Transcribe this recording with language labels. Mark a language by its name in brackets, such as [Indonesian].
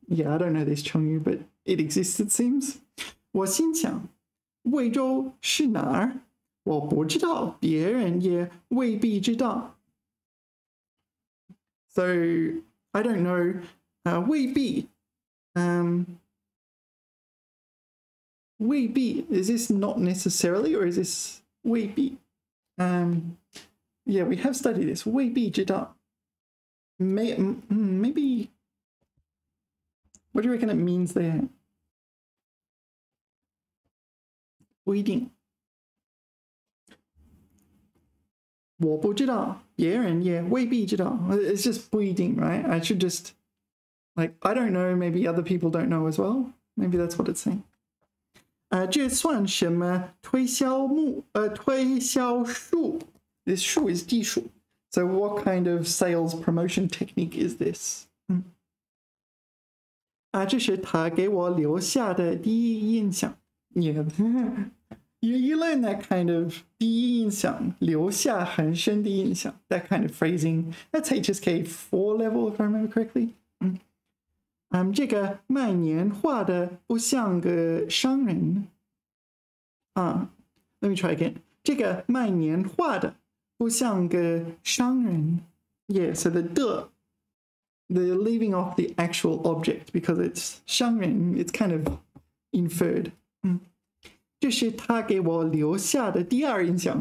[English] yeah, I don't know this Cheng Yu, but it exists, it seems. [Chinese] 我心想,魏州是哪儿? 我不知道,别人也未必知道。 [English] So, I don't know, 未必, 未必, is this not necessarily, or is this 未必? Yeah, we have studied this, [Chinese] 未必知道, [English] maybe, what do you reckon it means there? [Chinese] 不一定, 我不知道, 别人, yeah, 未必知道. [English] It's just [Chinese] 不一定, right? [English] I should just, like, I don't know, maybe other people don't know as well. Maybe that's what it's saying. [Chinese] 这算什么推销木, 推销术? [English] This 术 is 技术. So what kind of sales promotion technique is this? [Chinese] 这是他给我留下的第一印象. [English] Yeah. you learn that kind of 第一印象, [Chinese] 留下很深的印象, [English] that kind of phrasing. That's HSK 4 level, if I remember correctly. [Chinese] 这个卖年画的不像个商人。 [English] Let me try again. [Chinese] 这个卖年画的不像个商人。 [English] Yeah, so the 的, they're leaving off the actual object because it's 商人, it's kind of inferred. [Chinese] 这是他给我留下的第二印象,